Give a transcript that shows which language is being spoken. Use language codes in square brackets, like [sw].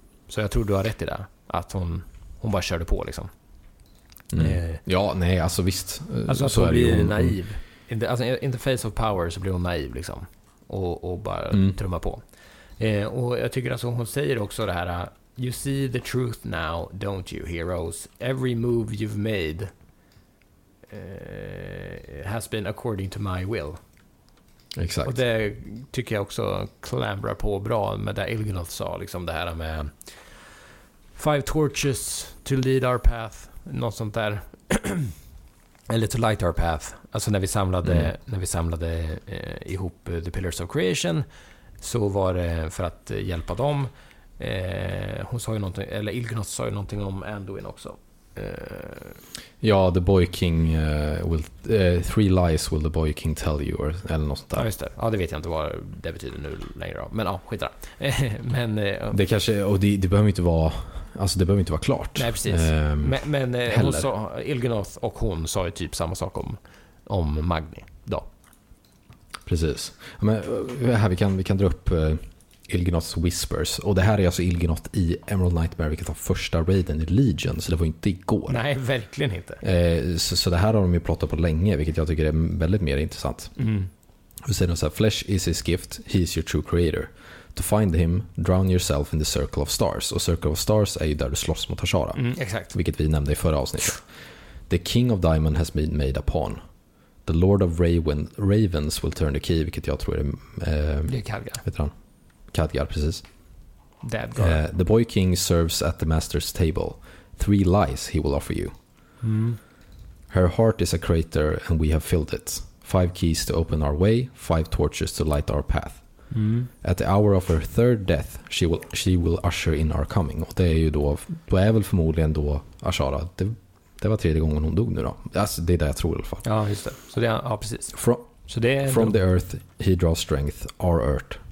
[sv] Så jag tror du har rätt i det, att hon bara körde på liksom. Ja, nej, alltså visst. Alltså så hon blir hon naiv. [en] In the face of power [sv] så blir hon naiv liksom. Och bara trumma på. Och jag tycker att alltså, hon säger också det här, [en] you see the truth now, don't you, heroes? Every move you've made has been according to my will. [sv] Exakt. Och det tycker jag också klamrar på bra med det Ilgenoth sa liksom, det här med [en] five torches to lead our path. [sv] Något sånt där. Eller [en] to light our path. [sv] Alltså när vi samlade, när vi samlade ihop The Pillars of Creation, så var det för att hjälpa dem. Hon sa ju någonting, eller Ilgenoth sa ju någonting om Anduin också. [en] Ja, the boy king will three lies will the boy king tell you, [sv] eller något sånt där. Ja, just det. Ja, det vet jag inte vad det betyder nu längre. Men ja, skit där. Men det kanske, och det behöver inte vara, alltså det behöver inte vara klart. Nej, precis. Men hon sa, Ilgenoth och hon sa ju typ samma sak om Magni då. Precis. Men här vi kan dra upp Ilgenoths whispers, och det här är alltså Ilgenoth i Emerald Nightmare, vilket var första raiden i Legion, så det var inte igår. Nej, verkligen inte. Så det här har de ju pratat på länge, vilket jag tycker är väldigt mer intressant. [en] Who said [sv] så här, [en] flesh is his gift, he is your true creator. To find him, drown yourself in the circle of stars. [sv] Och circle of stars är ju där du slåss mot Hashara. Mm, exakt. Vilket vi nämnde i förra avsnittet. [en] The king of diamond has been made a pawn. The lord of ravens will turn the key, [sv] vilket jag tror är... det är Khadgar. Vet du han? Khadgar, precis. [en] Dead god. The boy king serves at the master's table. Three lies he will offer you. Mm. Her heart is a crater and we have filled it. Five keys to open our way, five torches to light our path. Mm. At the hour of her third death, she will usher in our coming. [sv] Och det är ju då är väl förmodligen då Ashara. Det var tredje gången hon dog nu då. Alltså, det är det jag tror i alla fall. Ja, just det. Så det är, ja, precis. [en] From the earth he draws strength, our earth.